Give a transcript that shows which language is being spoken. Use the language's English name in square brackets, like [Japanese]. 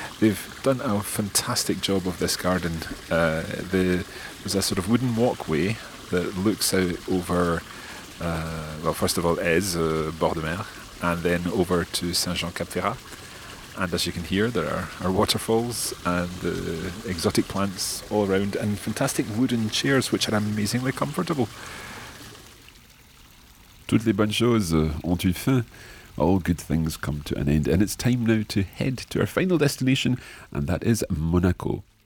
[English] They've done a fantastic job of this garden. There's a sort of wooden walkway that looks out over, first of all, Aize, [French] bord de mer, [English] and then over to Saint-Jean-Cap-Ferrat. And as you can hear, there are waterfalls and exotic plants all around, and fantastic wooden chairs, which are amazingly comfortable. [French] Toutes les bonnes choses ont une fin. [English] All good things come to an end. And it's time now to head to our final destination, and that is Monaco.